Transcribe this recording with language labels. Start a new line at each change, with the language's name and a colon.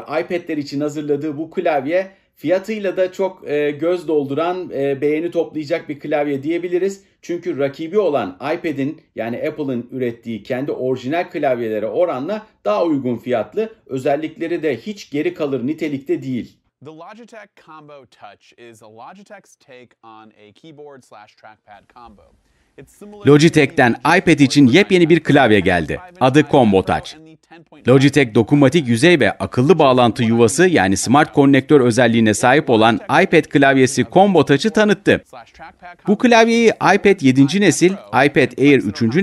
Turkish: iPad'ler için hazırladığı bu klavye fiyatıyla da çok göz dolduran, beğeni toplayacak bir klavye diyebiliriz. Çünkü rakibi olan iPad'in, yani Apple'ın ürettiği kendi orijinal klavyelere oranla daha uygun fiyatlı. Özellikleri de hiç geri kalır nitelikte değil.
English: The Logitech Combo Touch is Logitech's take on a keyboard / trackpad combo.
Turkish: Logitech'ten iPad için yepyeni bir klavye geldi. Adı Combo Touch. Logitech dokunmatik yüzey ve akıllı bağlantı yuvası, yani smart konnektör özelliğine sahip olan iPad klavyesi Combo Touch'ı tanıttı. Bu klavyeyi iPad 7. nesil, iPad Air 3.